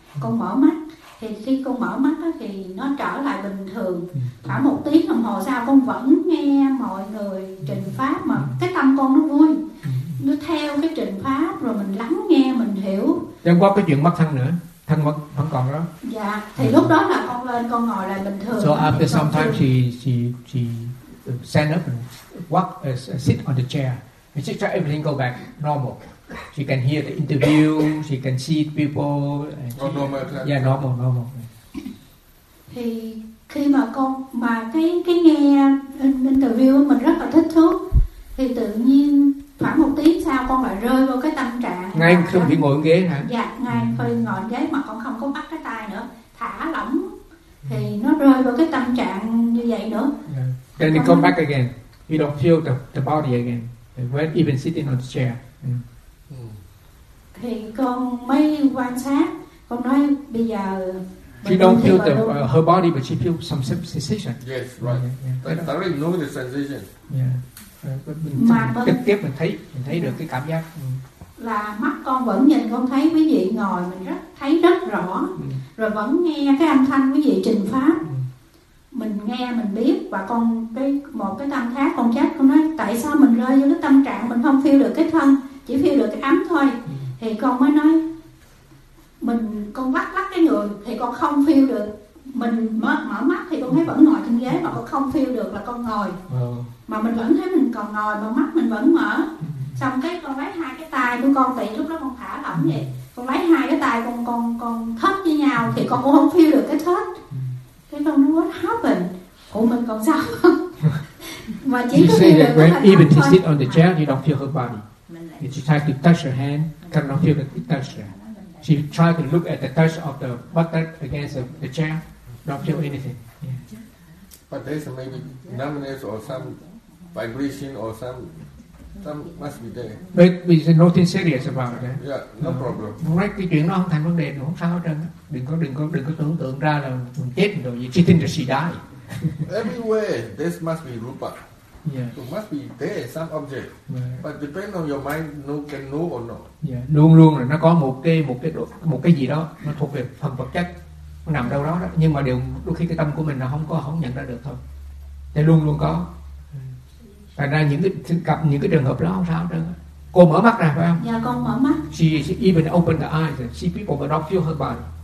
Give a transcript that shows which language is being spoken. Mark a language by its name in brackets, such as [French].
[Vietnamese] Con mở mắt, thì khi con mở mắt đó, thì nó trở lại bình thường. Khoảng một tiếng đồng hồ sau con vẫn nghe mọi người trình pháp mà cái tâm con nó vui. Nó theo cái trình pháp rồi mình lắng nghe, mình hiểu. Đem qua cái chuyện mất thân nữa. Thân vẫn còn đó. Dạ, thì lúc đó là con lên con ngồi lại bình thường. [English] So after some time she stand up and walk, sit on the chair. And she try everything go back normal. She can hear the interview, she can see people. She, oh, normal, okay. Yeah, normal, normal. [Vietnamese] Thì khi mà con mà cái nghe interview mình rất là thích thú, thì tự nhiên khoảng một tiếng sau con lại rơi vào cái tâm trạng ngay không bị ngồi ghế hả? Dạ, ngay khi ngồi ghế mà con không có bắt cái tay nữa, thả lỏng thì nó rơi vào cái tâm trạng như vậy nữa. [English] Yeah. Then you come back again. You don't feel the body again. When even sitting on the chair. [Vietnamese] Thì con mới quan sát, con nói bây giờ [English] she don't feel the her body, but she feels some sensation. Yes, right. Yeah, yeah. I really know the sensation. Yeah. [Vietnamese] Mà trực tiếp mình thấy được cái cảm giác. Là mắt con vẫn nhìn, con thấy quý vị ngồi mình rất thấy rất rõ, rồi vẫn nghe cái âm thanh quý vị trình pháp. Mình nghe mình biết và con cái một cái tâm khác con chắc con nói tại sao mình rơi vô cái tâm trạng mình không feel được cái thân, chỉ feel được cái ấm thôi. Thì con mới nói mình con vắt lắc cái người thì con không feel được, mình mở mắt thì con thấy vẫn ngồi trên ghế mà con không feel được là con ngồi. Mà mình vẫn thấy mình còn ngồi mà mắt mình vẫn mở. Xong cái con lấy hai cái tay của con, tại lúc đó con thả lỏng vậy, con lấy hai cái tay con thớt với nhau thì con cũng không feel được cái thớt. Cái con nói [English] what happened, [Vietnamese] của mình còn sao mà chỉ [English] you [Vietnamese] có feel được [English] when, even to sit on the chair you don't feel her body. You just try to touch her hand, cannot feel the touch. She tried to look at the touch of the butter against the chair, not feel anything. Yeah. But there's maybe numbness or some vibration or some must be there. But there's nothing serious about that. Yeah, no problem. [Vietnamese] Right, cái chuyện nó không thành vấn đề, không sao hết trơn. Đừng có tưởng tượng ra là mình chết rồi gì. [English] She think that she died. Everywhere, this must be rupa. Yeah. So must be there some object, right. But depend on your mind, know can know or not. [Vietnamese] Yeah, luôn luôn là nó có một cái gì đó nó thuộc về phần vật chất, nó nằm đâu đó, đó. Nhưng mà đôi khi cái tâm của mình nó không nhận ra được thôi. Thì luôn luôn có. Thành ra những cái trường hợp đó không sao đâu. Cô mở mắt ra phải không? Dạ, con mở mắt. [English] She even open the eyes, and see people but not feel her body.